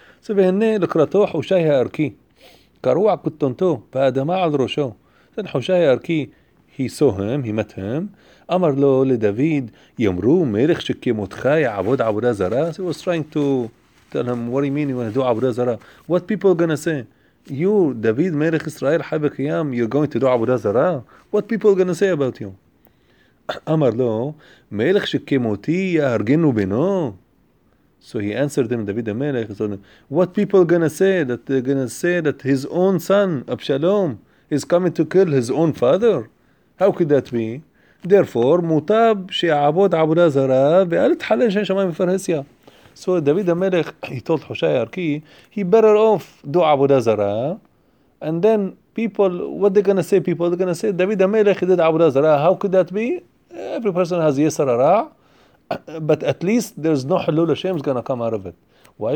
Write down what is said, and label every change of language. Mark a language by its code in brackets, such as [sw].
[he] So, והנה לקראתו חושי הערכי, קרוע קוטנתו, והאדמה על ראשו. Then חושי הערכי, [en] he saw him, he met him, [he] אמר לו לדוד, יאמרו מלך שכמותך יעבוד עבודה זרה. [en] So he was trying to tell him, what do you mean you want to do עבודה זרה? What people are going to say? You, דוד, מלך ישראל, חי וקיים, you're going to do עבודה זרה? What people are going to say about you? [he] אמר לו, מלך שכמותי יהרגנו בנו. [en] So he answered him, דוד המלך, what people are going to say? That they're going to say that his own son, Abshalom, is coming to kill his own father? How could that be? [he] Therefore, מוטב שיעבוד עבודה זרה, ואל תחלל שם שמיים בפרהסיה. [en] So David the Melech, he told Hushai Arki, he better off do Abuda Zara. And then people, what they're going to say, people, they're going to say, David the Melech, he did Abuda Zara. How could that be? Every person has Yisar Ara'a. But at least there's no Hallul Hashem is going to come out of it. Why?